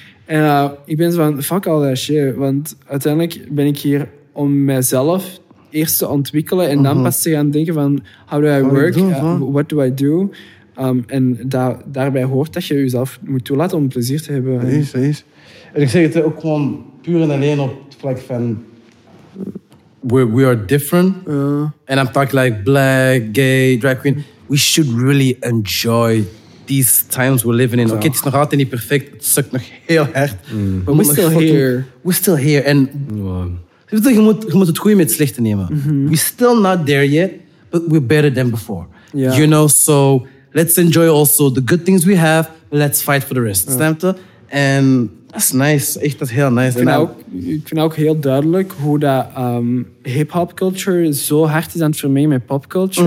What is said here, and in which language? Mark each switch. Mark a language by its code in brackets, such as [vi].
[nl] En ik ben zo van, [en] fuck all that shit. [nl] Want uiteindelijk ben ik hier om mezelf eerst te ontwikkelen. En dan pas te gaan denken van, [en] how do I work? What do I do? [nl] En daarbij hoort dat je jezelf moet toelaten om plezier te hebben. En ik zeg het ook gewoon puur en alleen op het vlak van... [en] We are different. And I'm talking like black, gay, drag queen. We should really enjoy these times we're living in. [nl] Okay, het is nog altijd niet perfect. Het sukt nog heel hard. [en] Mm. But we're still here. We're still here. And [nl] je moet het goede met het slechte nemen. Mm-hmm. [en] We're still not there yet, but we're better than before. Yeah. You know, so let's enjoy also the good things we have. Let's fight for the rest. Yeah. [nl] Snap je? [en] And... [nl] Dat is nice. Echt, dat is heel nice. Ik vind ook heel duidelijk hoe dat hip-hop culture zo hard is aan het vermengen met pop culture.